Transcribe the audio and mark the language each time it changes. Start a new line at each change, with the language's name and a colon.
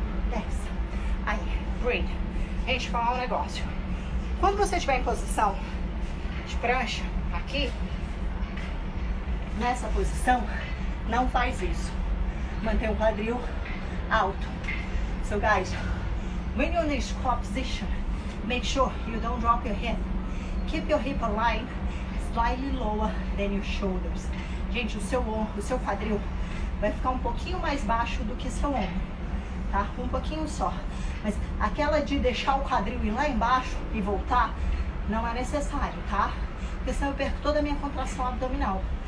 Portuguese: 10. Aí,
English: breathe.
Portuguese: Gente, falar um negócio. Quando você estiver em posição de prancha, aqui, nessa posição, não faz isso. Mantém o quadril alto.
English: So, guys, when you're in the squat position, make sure you don't drop your hip. Keep your hip aligned slightly lower than your shoulders.
Portuguese: Gente, o seu quadril vai ficar um pouquinho mais baixo do que seu ombro, tá? Um pouquinho só. Mas aquela de deixar o quadril ir lá embaixo e voltar, não é necessário, tá? Porque senão eu perco toda a minha contração abdominal.